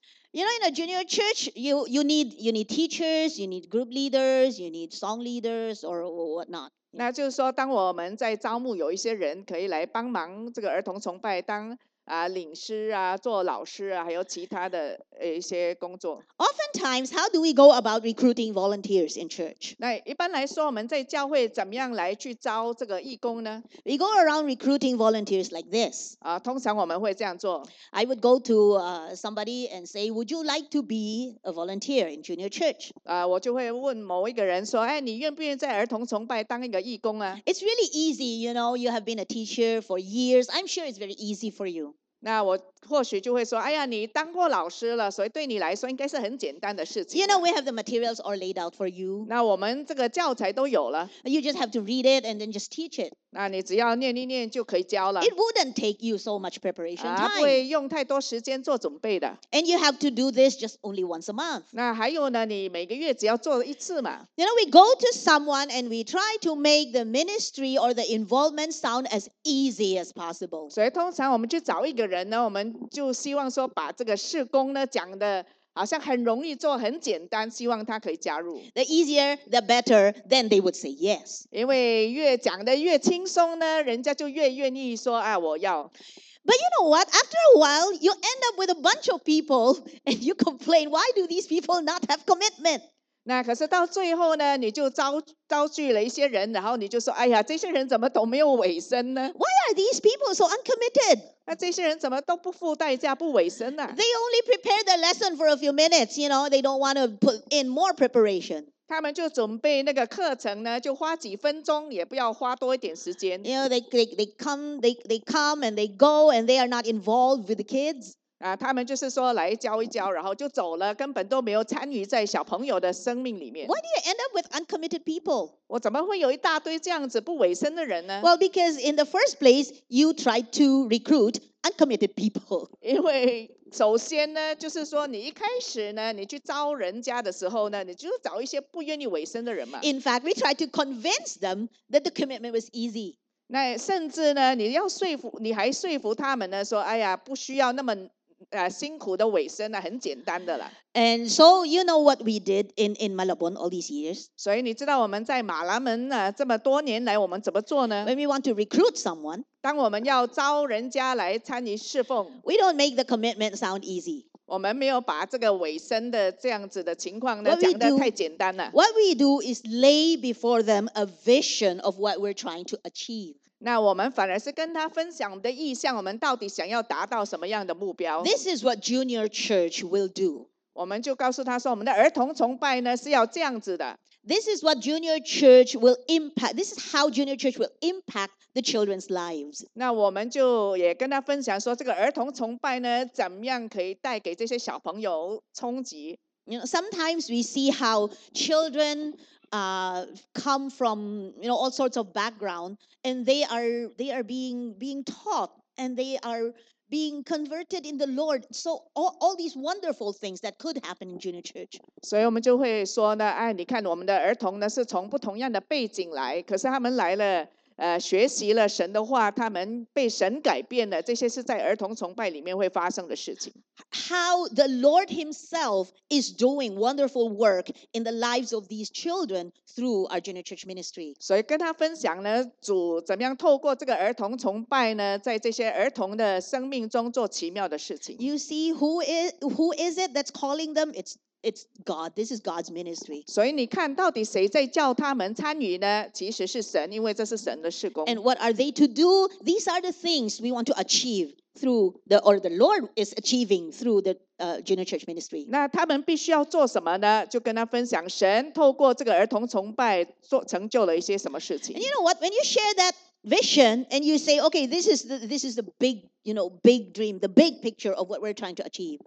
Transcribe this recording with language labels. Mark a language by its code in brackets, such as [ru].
[en] You know, in a junior church, you need teachers, you need group leaders, you need song leaders, or whatnot. [zh] 那就是说，当我们在招募有一些人可以来帮忙这个儿童崇拜，当领师啊，做老师啊，还有其他的一些工作。 [en] Oftentimes, how do we go about recruiting volunteers in church? [zh] 那一般来说，我们在教会怎么样来去招这个义工呢？ [en] We go around recruiting volunteers like this. [zh] 啊，通常我们会这样做。 [en] I would go to somebody and say, "Would you like to be a volunteer in junior church?" [zh] 啊，我就会问某一个人说，哎，你愿不愿意在儿童崇拜当一个义工啊？ [en] It's really easy, you know. You have been a teacher for years. I'm sure it's very easy for you. [zh] 那我或许就会说，哎呀，你当过老师了，所以对你来说应该是很简单的事情。 [en] You know, we have the materials all laid out for you. [zh] 那我们这个教材都有了。 [en] You just have to read it and then just teach it. [zh] 那你只要念一念就可以教了。 [en] It wouldn't take you so much preparation time. [zh] 不会用太多时间做准备的。 [en] And you have to do this just only once a month. [zh] 那还有呢，你每个月只要做一次嘛。 [en] You know, we go to someone and we try to make the ministry or the involvement sound as easy as possible. [zh] 所以通常我们去找一个人。我们就希望说把这个事工呢讲的好像很容易做很简单希望他可以加入 [en] The easier, the better, then they would say yes [zh] 因为越讲的越轻松呢人家就越愿意说、啊、我要 [en] But you know what? After a while, you end up with a bunch of people and you complain, why do these people not have commitment? [zh] 那可是到最后呢你就招聚了一些人然后你就说哎呀这些人怎么都没有尾声呢 [en] Why are these people so uncommitted? [zh] 那这些人怎么都不付代价不委身呢、啊、 [en] They only prepare their lesson for a few minutes, you know, they don't want to put in more preparation. [zh] 他们就准备那个课程呢就花几分钟也不要花多一点时间。 [en] You know, they come and they go and they are not involved with the kids. [zh] 他们就是说来教一教然后就走了根本都没有参与在小朋友的生命里面 [en] Why do you end up with uncommitted people? [zh] 我怎么会有一大堆这样子不委身的人呢 [en] Well, because in the first place you try to recruit uncommitted people [zh] 因为首先呢就是说你一开始呢你去招人家的时候呢你就找一些不愿意委身的人嘛 [en] In fact, we try to convince them that the commitment was easy [zh] 那甚至呢你要说服你还说服他们呢说哎呀不需要那么辛苦的尾声、啊、很简单的了 [en] And so you know what we did in Malabon all these years [zh] 所以你知道我们在马拉门、啊、这么多年来我们怎么做呢 [en] When we want to recruit someone [zh] 当我们要招人家来参与侍奉 [en] We don't make the commitment sound easy [zh] 我们没有把这个尾声的这样子的情况呢讲得太简单了 [en] What we do is lay before them a vision of what we're trying to achieve [zh] 那我们反而是跟他分享的意向我们到底想要达到什么样的目标 [en] This is what junior church will do [zh] 我们就告诉他说我们的儿童崇拜呢是要这样子的 [en] This is what junior church will impact This is how junior church will impact the children's lives [zh] 那我们就也跟他分享说这个儿童崇拜呢怎么样可以带给这些小朋友冲击 [en] You know, sometimes we see how childrencome from you know, all sorts of background and they are being taught and they are being converted in the Lord so all these wonderful things that could happen in junior church [zh] 所以我们就会说呢、哎、你看我们的儿童呢是从不同样的背景来可是他们来了学习了神的话他们被神改变了这些是在儿童崇拜里面会发生的事情 [en] How the Lord himself is doing wonderful work in the lives of these children through our junior church ministry [zh] 所以跟他分享呢主怎么样透过这个儿童崇拜呢在这些儿童的生命中做奇妙的事情 [en] You see who is it that's calling them? It's God. This is God's ministry. [zh] 所以你看到底谁在叫他们参与呢？其实是神，因为这是神的事工。 [en] And what are they to do? These are the things we want to achieve through the Lord is achieving through the junior church ministry. [zh] 那他们必须要做什么呢？就跟他分享神透过这个儿童崇拜做成就了一些什么事情。 [en] And you know what? When you share that vision and you say, okay, this is the big. You know, big dream, the big picture of what we're trying to achieve.